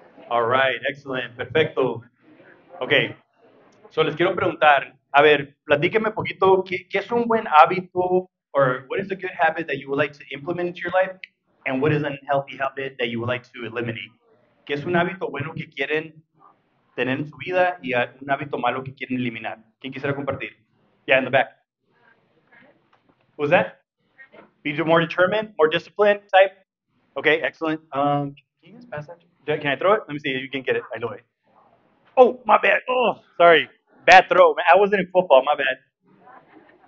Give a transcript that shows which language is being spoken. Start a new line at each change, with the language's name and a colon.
English: All right. Excellent. Perfecto. Okay. So
Spanish: les quiero preguntar, a ver, platíqueme poquito, ¿qué es un buen hábito
English: or what is a good habit that you would like to implement into your life? And what is an unhealthy habit that you would like to eliminate?
Spanish: ¿Qué es un hábito bueno que quieren tener en su vida y un hábito malo que quieren eliminar? ¿Quién quisiera compartir?
English: Yeah, in the back. What was that? Be more determined, more disciplined type? Okay, excellent. Can you just pass that? Can I throw it? Let me see if you can get it. I know it. Oh, my bad. Oh, sorry. Bad throw. I wasn't in football. My bad.